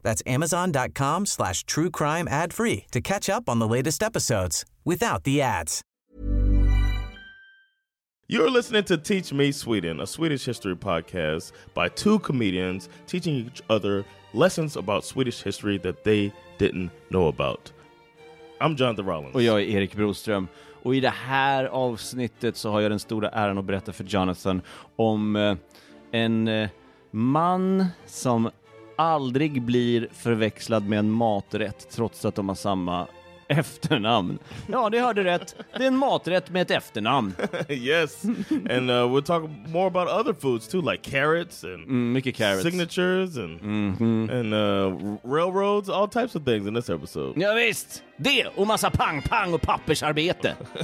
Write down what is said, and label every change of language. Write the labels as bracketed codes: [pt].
[en] That's amazon.com/truecrimeadfree to catch up on the latest episodes without the ads. You're listening to Teach Me Sweden, a Swedish history podcast by two comedians teaching each other lessons about Swedish history that they didn't know about. I'm Jonathan Rollins. [sv] Och jag är Erik Broström. Och i det här avsnittet så har jag den stora äran att berätta för Jonathan om en man som aldrig blir förväxlad med en maträtt trots att de har samma efternamn. Ja, det hörde rätt. Det är en maträtt med ett efternamn. [en] Yes. And we'll talk more about other foods too, like carrots and [sv] mycket carrots. [en] Signatures and and railroads, all types of things in this episode. [sv] Ja visst. Det och massa pang pang och pappersarbete.